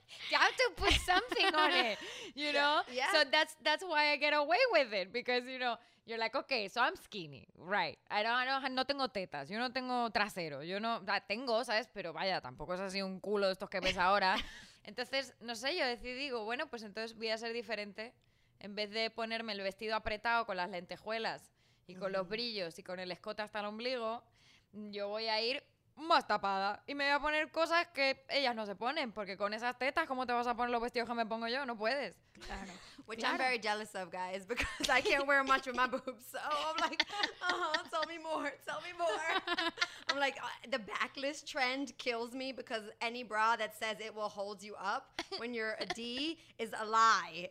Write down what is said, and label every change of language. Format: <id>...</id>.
<en>You have to put something on it, you know? Yeah. So that's why I get away with it. Because, you know, you're like, okay, so I'm skinny. Right. I don't</en> <es>no tengo tetas. Yo no tengo trasero. Yo no... Tengo, ¿sabes? Pero vaya, tampoco es así un culo de estos que ves ahora. Entonces, no sé, yo decidí, digo, bueno, pues entonces voy a ser diferente. En vez de ponerme el vestido apretado con las lentejuelas y con los brillos y con el escote hasta el ombligo, yo voy a ir más tapada y me voy a poner cosas que ellas no se ponen, porque con esas tetas, ¿cómo te vas a poner los vestidos que me pongo yo? No puedes. Claro.</es> <en>Which I'm very jealous of, guys, because I can't wear much with my boobs. So I'm like, tell me more. I'm like, the backless trend kills me because any bra that says it will hold you up when you're a D is a lie.</en>